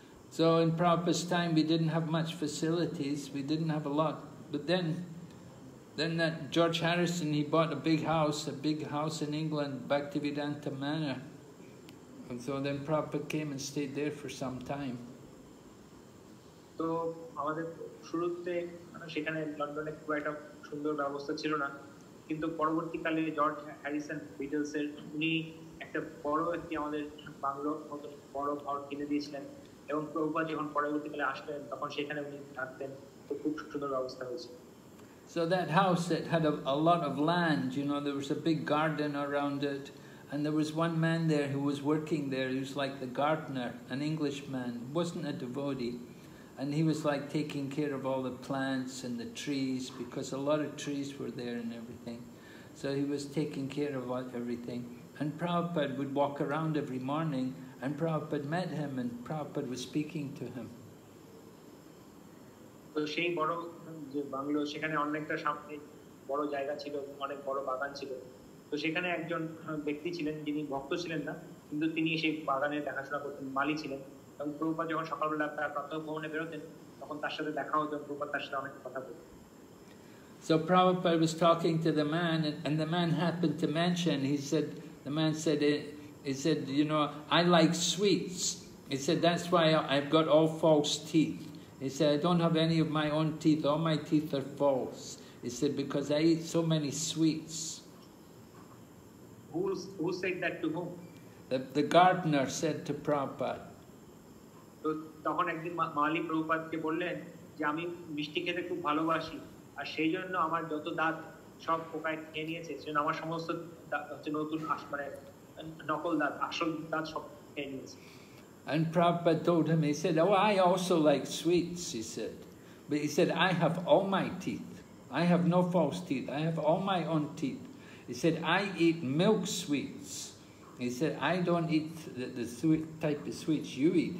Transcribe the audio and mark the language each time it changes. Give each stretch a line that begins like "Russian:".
English: So in Prabhupada's time, we didn't have much facilities, we didn't have a lot, but then that George Harrison, he bought a big house in England, Bhaktivedanta Manor. And so then Prabhupada came and stayed there for some time.
Bangla: So, আমাদের শুরুতে সেখানে লন্ডনে খুব একটা সুন্দর ব্যবস্থা ছিল না কিন্তু পরবর্তীকালে জর্জ হ্যারিসন বিটলসের উনি একটা বড় একটি আমাদের বাংলো মতো বড় ঘর কিনে দিয়েছিলেন এবং প্রভুপাদ যখন পরবর্তীকালে আসলেন তখন সেখানে উনি থাকতেন তো খুব সুন্দর ব্যবস্থা হয়েছে
English: So that house, it had a lot of land, you know, there was a big garden around it, and there was one man there who was working there, he was like the gardener, an Englishman, wasn't a devotee, and he was like taking care of all the plants and the trees, because a lot of trees were there and everything. So he was taking care of everything, and Prabhupada would walk around every morning, and Prabhupada met him, and Prabhupada was speaking to him.
Bangla: তো সেই বড় যে bungalow সেখানে অনেকটা সামনে বড় জায়গা ছিল অনেক বড় বাগান ছিল তো সেখানে একজন ব্যক্তি ছিলেন যিনি ভক্ত ছিলেন না কিন্তু তিনি সেই বাগানে দেখাশোনা করতেন মালি ছিলেন এবং প্রভুপাদ যখন সকালবেলা তার প্রাতঃভ্রমণে বেরোতেন তখন তার সাথে দেখা হতো প্রভুপাদ তার সাথে অনেক কথা বলতেন
English: So Prabhupada was talking to the man and the man happened to mention, he said, you know, I like sweets. He said, that's why I've got all false teeth. He said, I don't have any of my own teeth. All my teeth are false. He said, because I eat so many sweets. Who said that to whom? The gardener said to Prabhupada.
Bangla: So, তখন একদিন মালি প্রভুপাদকে বললেন যে আমি মিষ্টি খেতে খুব ভালোবাসি আর সেই জন্য আমার যত দাঁত সব পোকায় খেয়ে নিয়েছে সেজন্য আমার সমস্ত হচ্ছে নতুন আস মানে নকল দাঁত আসল দাঁত সব খেয়ে নিয়েছে
English: And Prabhupada told him, he said, oh, I also like sweets, he said. But he said, I have all my teeth. I have no false teeth. I have all my own teeth. He said, I eat milk sweets. He said, I don't eat the sweet type of sweets you eat.